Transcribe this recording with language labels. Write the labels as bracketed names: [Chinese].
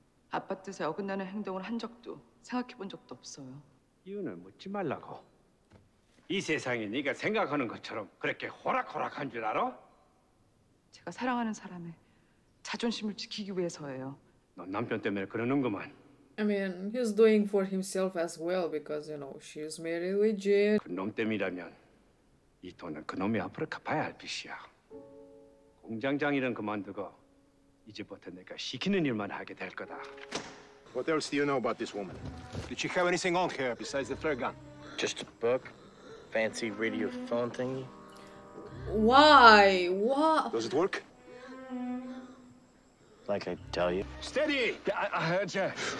[Korean] 아빠 뜻에 어긋나는 행동을 한 적도 생각해 본 적도 없어요. 이유는 묻지 말라고. 이 세상이 네가 생각하는 것처럼 그렇게 호락호락한 줄 알아? 제가 사랑하는 사람의 자존심을 지키기 위해서예요. 넌 남편 때문에 그러는구만. [English] I mean, he's doing for himself as well because, you know, she's married with Jin. [Korean] 그놈 때문이라면 이 돈은 그놈이 앞으로 갚아야 할 빚이야. 공장장 일은 그만두고 이제부터 내가 시키는 일만 하게 될 거다. [English] What else do you know about this woman? Did she have anything on her besides the flare gun? Just a book, fancy radio phone thingy. Why? What? Does it work? Like I tell you. Steady! I heard you.